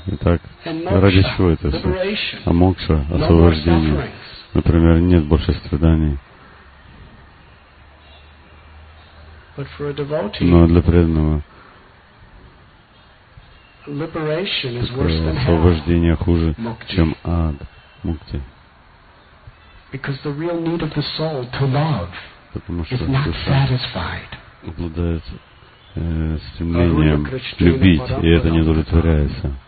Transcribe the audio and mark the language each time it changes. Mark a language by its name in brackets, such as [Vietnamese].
[Russian] Итак, ради чего это все? А мокша, освобождение. Например, нет больше страданий. Но для преданного освобождение хуже, чем ад, мукти. [English] Because the real need of the soul to love. [Russian] Потому что душа обладает стремлением любить, и это не удовлетворяется.